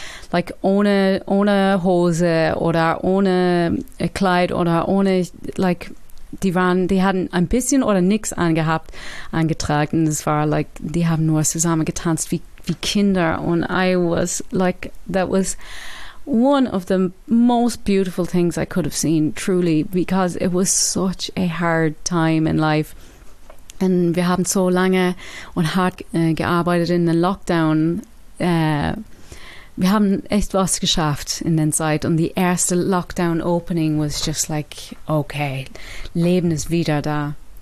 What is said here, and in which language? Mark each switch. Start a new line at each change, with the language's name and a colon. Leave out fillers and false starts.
German: Like ohne Hose oder ohne Kleid oder ohne, like, die hatten ein bisschen oder nichts angetragen. Und es war, like, die haben nur zusammen getanzt wie Kinder.
English: Und I was, like, that was one of the most beautiful things I could have seen, truly, because it was such a hard time in life.
German: And wir haben so lange und hart gearbeitet in den Lockdown, wir haben echt was geschafft in der Zeit und die erste Lockdown-Opening
English: was just like, okay,
German: Leben ist wieder da.